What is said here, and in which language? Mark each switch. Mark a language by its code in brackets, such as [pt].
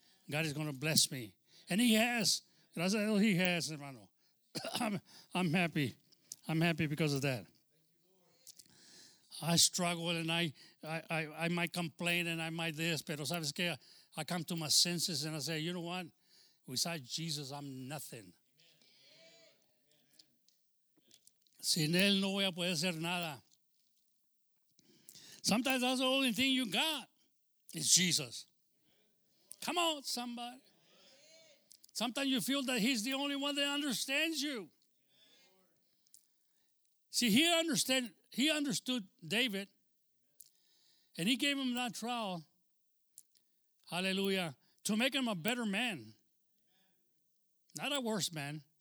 [en] God is going to bless me. And He has. [es] Gracias a Dios, [en] He has, hermano. I'm happy. I'm happy because of that. I struggle and I might complain and I might this, [es] pero sabes que [en] I come to my senses and I say, you know what? Without Jesus, I'm nothing. Amen. [es] Sin Él no voy a poder hacer nada. [en] Sometimes that's the only thing you got is Jesus. Come on, somebody. Sometimes you feel that He's the only one that understands you. See, He understood David, and He gave him that trial, hallelujah, to make him a better man, not a worse man.